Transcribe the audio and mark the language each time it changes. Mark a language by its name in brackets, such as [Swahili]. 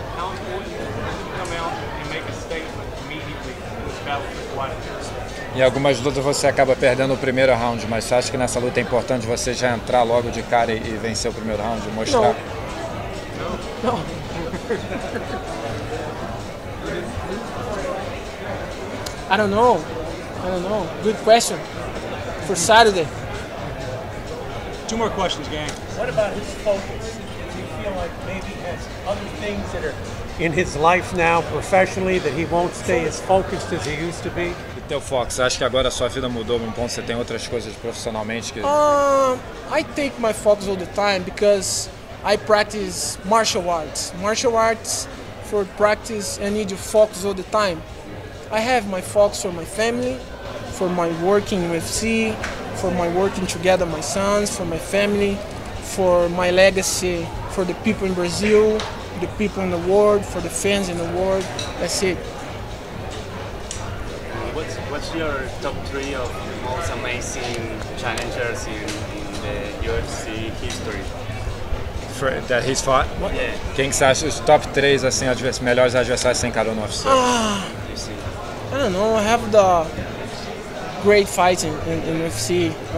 [English] How important is it to come out and make a statement immediately in this battle for quite a bit? [Portuguese] Em algumas lutas você acaba perdendo o primeiro round, mas você acha que nessa luta é importante você já entrar logo de cara e vencer o primeiro round e mostrar? Não. Não. [English] I don't know. I don't know. Good question. For Saturday. 2 more questions, gang. What about his focus? Do you feel like maybe he has other things that are in his life now, professionally, that he won't stay as focused as he used to be? [Portuguese] E teu foco, você acha que agora a sua vida mudou num ponto, você tem outras coisas profissionalmente que... [English] I take my focus all the time because I practice martial arts. Martial arts, for practice, I need to focus all the time. I have my focus for my family, for my work in UFC, for my working together with my sons, for my family, for my legacy, for the people in Brazil, the people in the world, for the fans in the world. That's it. What's your top 3 of the most amazing challengers in the UFC history? For, that he's fought? What? Yeah. [Portuguese] Quem que você acha os top 3 assim, melhores adversários que você encarou no UFC? [English] I don't know, I have the great fights in UFC.